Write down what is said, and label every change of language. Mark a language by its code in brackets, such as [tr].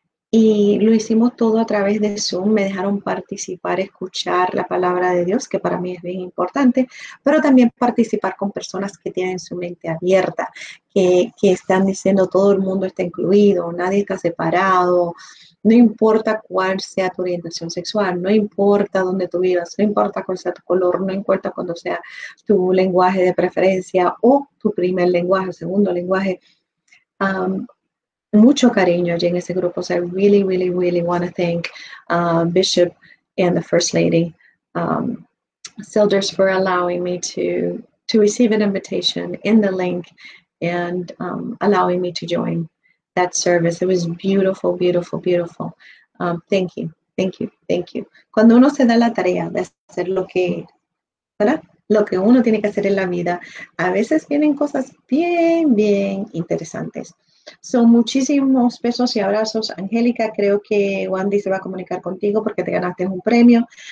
[es] Y lo hicimos todo a través de Zoom. Me dejaron participar, escuchar la palabra de Dios, que para mí es bien importante, pero también participar con personas que tienen su mente abierta, que están diciendo todo el mundo está incluido, nadie está separado, no importa cuál sea tu orientación sexual, no importa dónde tú vivas, no importa cuál sea tu color, no importa cuándo sea tu lenguaje de preferencia o tu primer lenguaje, segundo lenguaje. Mucho cariño allí en ese grupo. [en] So I really, really, really want to thank Bishop and the First Lady Selders for allowing me to receive an invitation in the link and allowing me to join that service. It was beautiful, beautiful, beautiful. Thank you, thank you, thank you. [es] Cuando uno se da la tarea de hacer lo que, ¿verdad? Lo que uno tiene que hacer en la vida, a veces vienen cosas bien, bien interesantes. Son muchísimos besos y abrazos, Angélica. Creo que Wandy se va a comunicar contigo porque te ganaste un premio.